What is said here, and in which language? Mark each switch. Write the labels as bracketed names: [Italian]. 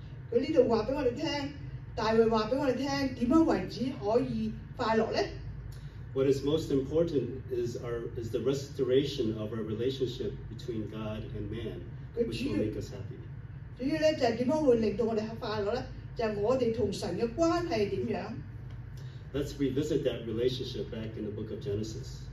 [Chinese] 他这里告诉我们,大卫告诉我们,怎么为止可以快乐呢? [English] What is most important is the restoration of our relationship between God and man, which will make us happy. [Chinese] 主要呢,就是怎么会令到我们快乐呢?就是我们与神的关系是怎样? [English] Let's revisit that relationship back in the book of Genesis.